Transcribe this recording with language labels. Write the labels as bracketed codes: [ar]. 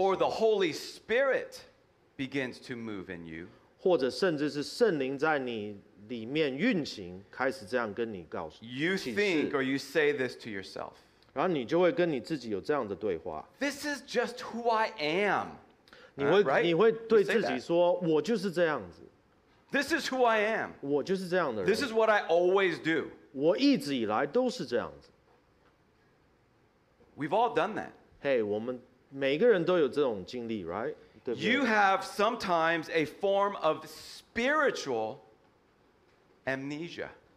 [en] 候， or the Holy Spirit begins to move in you, [zh] 或者甚至是圣灵在你里面运行，开始这样跟你告诉。 [en] You think or you say this to yourself. [zh] 然后你就会跟你自己有这样的对话。 [en] This is just who I am. [zh] 你会、你会对自己说，我就是这样子。 [en] This is who I am. [zh] 我就是这样的人。 [en] This is what I always do. [zh] 我一直以来都是这样子。 [en] We've all done that. [zh] Hey, 我们每个人都有这种经历 ，right？对不对 [en] ？You have sometimes a form of spiritual amnesia.